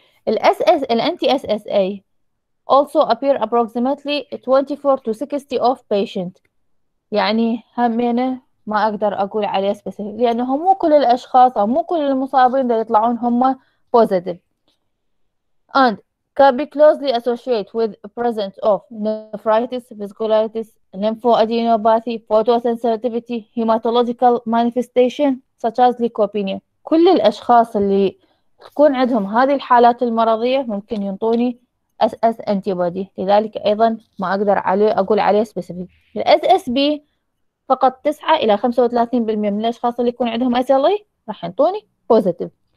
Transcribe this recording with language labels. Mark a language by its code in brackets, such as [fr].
[ar] الاس اس الانتي اس اس اي also appear approximately 24 to 60 of patient، يعني همينه ما اقدر اقول عليه سبيسيفيك لانه مو كل الاشخاص او مو كل المصابين اللي يطلعون هم بوزيتيف. [en] and can be closely associated with presence of nephritis, vasculitis, lymphoadenopathy, photosensitivity, hematological manifestation such as leukopenia. [ar] كل الأشخاص اللي تكون عندهم هذه الحالات المرضية ممكن ينطوني SS antibody، لذلك أيضا ما أقدر عليه أقول عليه specific. الـ SSB فقط 9 إلى 35% من الأشخاص اللي يكون عندهم SLE راح ينطوني positive.